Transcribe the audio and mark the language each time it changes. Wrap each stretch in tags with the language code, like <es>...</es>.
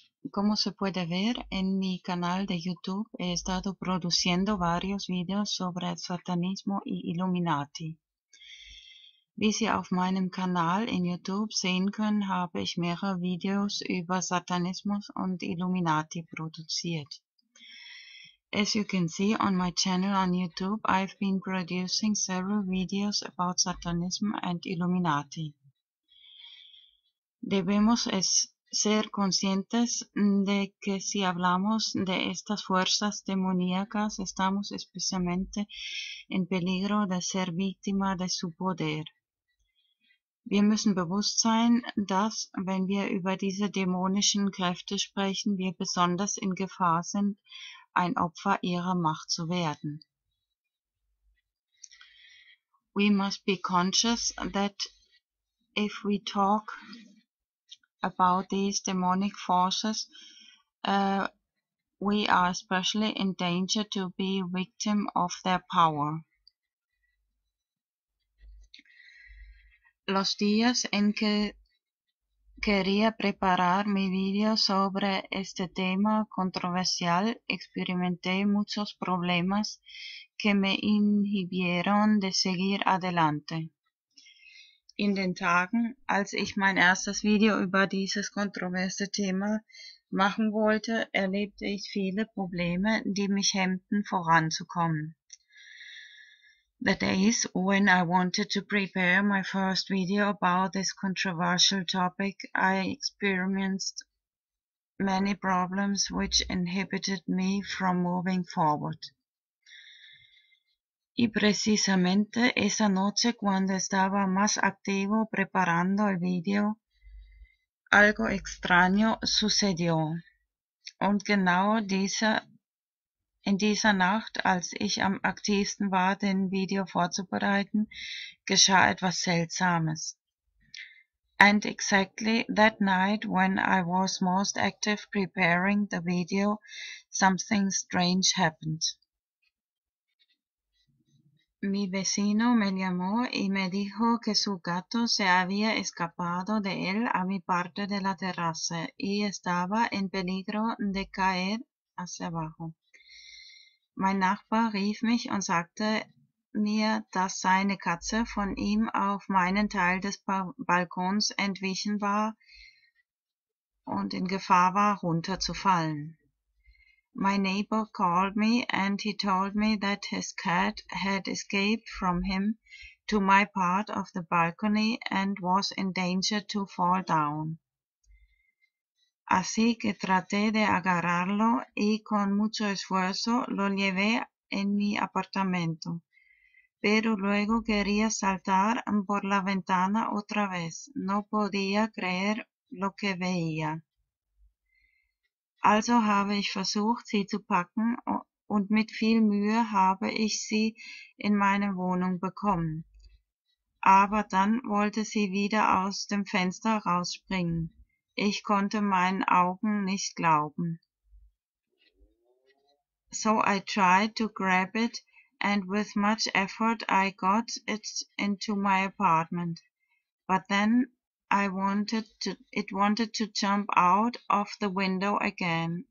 <es>Como se puede ver en mi canal de YouTube, he estado produciendo varios videos sobre el satanismo y Illuminati.</es> <de>Wie Sie auf meinem Kanal in YouTube sehen können, habe ich mehrere Videos über Satanismus und Illuminati produziert.</de> <en>As you can see on my channel on YouTube, I've been producing several videos about Satanism and Illuminati.</en> <es>Debemos ser conscientes de que si hablamos de estas fuerzas demoníacas, estamos especialmente en peligro de ser víctima de su poder.</es> <de>Wir müssen bewusst sein, dass, wenn wir über diese dämonischen Kräfte sprechen, wir besonders in Gefahr sind, ein Opfer ihrer Macht zu werden.</de> <en>We must be conscious that if we talk about these demonic forces, we are especially in danger to be victim of their power.</en> <es>Los días en que quería preparar mi video sobre este tema controversial, experimenté muchos problemas que me inhibieron de seguir adelante.</es> <de>In den Tagen, als ich mein erstes Video über dieses kontroverse Thema machen wollte, erlebte ich viele Probleme, die mich hemmten, voranzukommen.</de> <en>The days when I wanted to prepare my first video about this controversial topic, I experienced many problems which inhibited me from moving forward.</en> <es>Y precisamente esa noche cuando estaba más activo preparando el video, algo extraño sucedió.</es> <de>Und genau in dieser Nacht, als ich am aktivsten war, den Video vorzubereiten, geschah etwas Seltsames.</de> <en>And exactly that night when I was most active preparing the video, something strange happened.</en> <es>Mi vecino me llamó y me dijo que su gato se había escapado de él a mi parte de la terraza y estaba en peligro de caer hacia abajo.</es> <de>Mein Nachbar rief mich und sagte mir, dass seine Katze von ihm auf meinen Teil des Balkons entwichen war und in Gefahr war, runterzufallen.</de> <en>My neighbor called me and he told me that his cat had escaped from him to my part of the balcony and was in danger to fall down.</en> <es>Así que traté de agarrarlo y con mucho esfuerzo lo llevé en mi apartamento. Pero luego quería saltar por la ventana otra vez. No podía creer lo que veía.</es> <de>Also habe ich versucht, sie zu packen und mit viel Mühe habe ich sie in meine Wohnung bekommen. Aber dann wollte sie wieder aus dem Fenster rausspringen. Ich konnte meinen Augen nicht glauben.</de> <en>So I tried to grab it and with much effort I got it into my apartment. But then it wanted to jump out of the window again.</en>